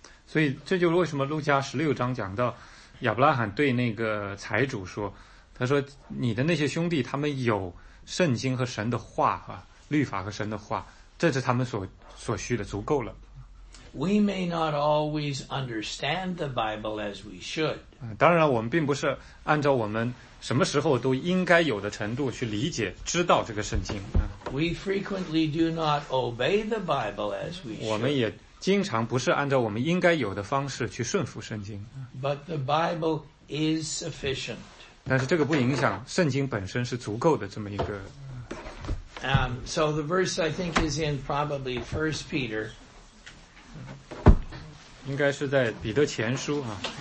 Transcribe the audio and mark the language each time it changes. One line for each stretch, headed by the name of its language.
Chinese: 所以这就是为什么路加十六章讲到亚伯拉罕对那个财主说，他说你的那些兄弟他们有圣经和神的话，律法和神的话，这是他们所需的，足够了。
English: We may not always understand the Bible as we should.
Chinese: 当然我们并不是按照我们什么时候都应该有的程度去理解知道这个圣经。
English: We frequently do not obey the Bible as we should.
Chinese: 我们也经常不是按照我们应该有的方式去顺服圣经。
English: But the Bible is sufficient.
Chinese: 但是这个不影响圣经本身是足够的这么一个。
English: So the verse I think is in probably 1 Peter.
Chinese: 应该是在彼得前书啊。